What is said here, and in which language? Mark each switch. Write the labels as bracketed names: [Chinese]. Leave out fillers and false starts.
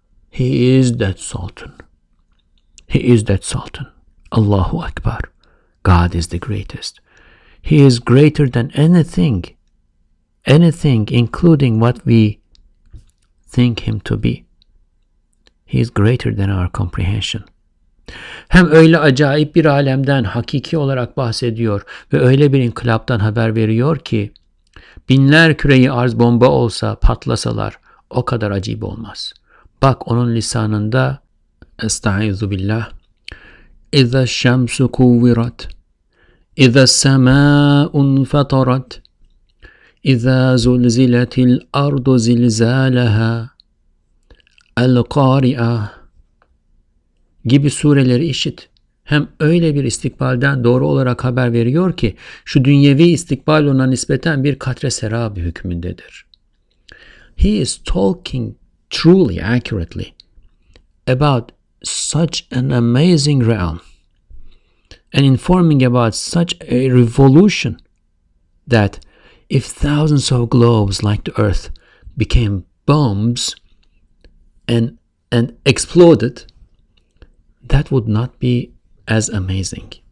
[English] He is that sultan. He is that sultan. [Arabic] Allahu Akbar. [English] God is the greatest. He is greater than anything, anything, including what we think him to be. He is greater than our comprehension. Hem öyle acayip bir alemden hakiki olarak bahsediyor ve öyle bir inkılaptan haber veriyor ki, binler küreyi arz bomba olsa, patlasalar o kadar acayip olmaz. [Turkish] Bak onun lisanında, [Arabic] Estaizu billah, اِذَا الشَّمْسُ كُوْوِرَتْ اِذَا السَّمَاءُ فَطَرَتْ إِذَا زُلْزِلَتِ الْأَرْضُ زِلْزَالَهَا الْقَارِئَةِ [Turkish] gibi sureleri işit. Hem öyle bir istikbalden doğru olarak haber veriyor ki, şu dünyevi istikbal ona nispeten bir katre serab hükmündedir. [English] He is talking truly, accurately about such an amazing realm and informing about such a revolution that if thousands of globes like the Earth became bombs and exploded, that would not be as amazing.